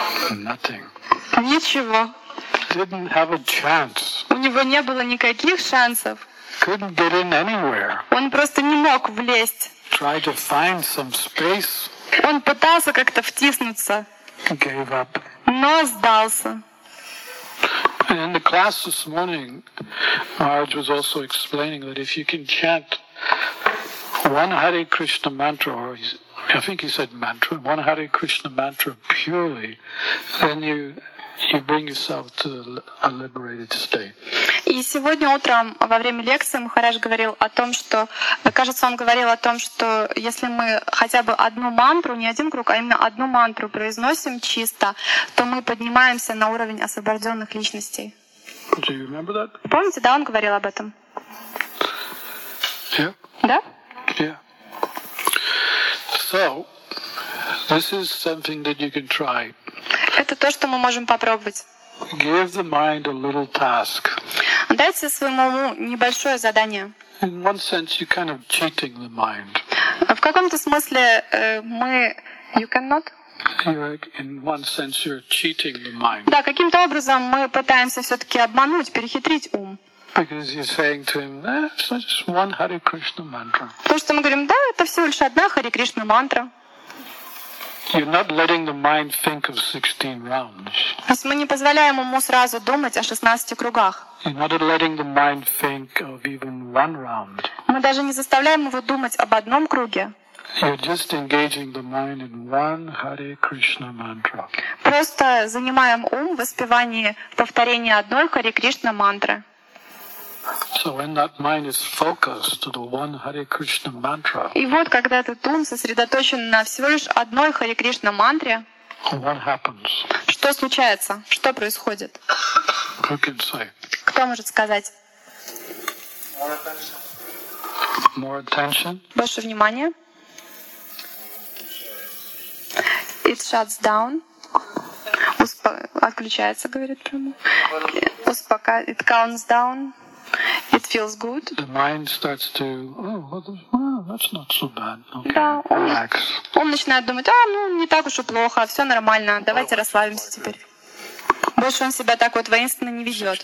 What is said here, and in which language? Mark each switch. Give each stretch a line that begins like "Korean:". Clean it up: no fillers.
English: Nothing.
Russian: Ничего.
English: Didn't have a chance.
Russian: У него не было никаких шансов.
English: Couldn't get in anywhere.
Russian: Он просто не мог влезть.
English: Tried to find some space.
Russian: Он пытался как-то втиснуться.
English: Gave up.
Russian: Но сдался.
English: And in the class this morning, Marge was also explaining that if you can chant one Hare Krishna mantra, or I think he said mantra, one Hare Krishna mantra purely, then you bring yourself to a liberated state.
Russian: И сегодня утром во время лекции Махарадж говорил о том, что, кажется, он говорил о том, что если мы хотя бы одну мантру, не один круг, а именно одну мантру произносим чисто, то мы поднимаемся на уровень освобожденных личностей.
English: Do you remember that?
Russian: Помните, да, он говорил об этом?
English: Yeah.
Russian: Да?
English: Yeah. So, this is something that you can try.
Russian: Это то, что мы можем попробовать.
English: Give the mind a little task.
Russian: Дайте своему уму небольшое задание.
English: In one sense, you're kind of cheating the mind.
Russian: В каком-то смысле мы...
English: You cannot? In one sense, you're cheating the mind.
Russian: Да, каким-то образом мы пытаемся все-таки обмануть, перехитрить ум.
English: Because you're saying to him, it's just one Hare Krishna mantra.
Russian: То, что мы говорим, да, это всего лишь одна Харе Кришна мантра.
English: You're not letting the mind think of 16 rounds.
Russian: То есть мы не позволяем ему сразу думать о 16 кругах.
English: You're not letting the mind think of even one round.
Russian: Мы даже не заставляем его думать об одном круге.
English: You're just engaging the mind in one Hare Krishna mantra.
Russian: Просто занимаем ум в воспевании, в повторении одной Харе Кришна мантры.
English: So when that mind is focused to the one Hare Krishna mantra.
Russian: И вот когда этот ум сосредоточен на всего лишь одной Харе Кришна мантре.
English: What happens?
Russian: Что случается? Что происходит?
English: Who can say?
Russian: Кто может сказать?
English: More attention.
Russian: Больше внимания.
English: It shuts down.
Russian: Отключается, говорит прямо.
English: It counts down. It feels good. The mind starts to, that's not so bad. Okay,
Russian: да,
English: relax.
Russian: Он начинает думать, не так уж и плохо, все нормально, давайте расслабимся теперь. Больше он себя так вот воинственно не ведет.